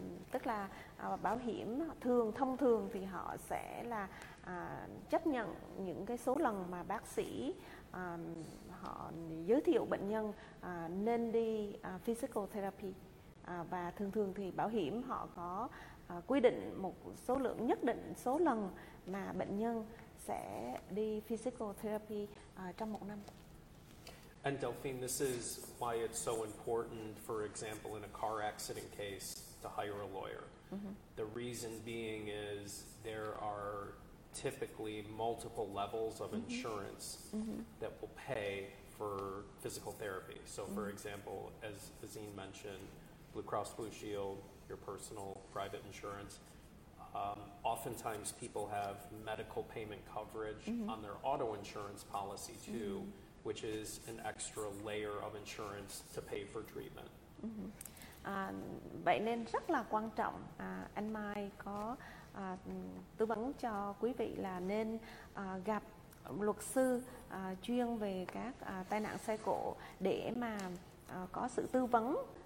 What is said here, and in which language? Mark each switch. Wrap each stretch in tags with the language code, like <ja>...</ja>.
<vi>Tức là bảo hiểm thường thông thường thì họ sẽ là chấp nhận những cái số lần mà bác sĩ họ giới thiệu bệnh nhân nên đi physical therapy, và thường thường thì bảo hiểm họ có quy định một số lượng nhất định số lần mà bệnh nhân sẽ đi physical therapy trong một năm.</vi> <en>And Delphine, this is why it's so important, for example, in a car accident case, to hire a lawyer. Mm-hmm. The reason being is there are typically multiple levels of insurance that will pay for physical therapy. So for example, as Azine mentioned, Blue Cross Blue Shield, your personal private insurance. Oftentimes people have medical payment coverage on their auto insurance policy too, which is an extra layer of insurance to pay for treatment.</en> <vi>Vậy nên rất là quan trọng, anh Mai có tư vấn cho quý vị là nên gặp luật sư chuyên về các tai nạn xe cộ để mà có sự tư vấn,</vi>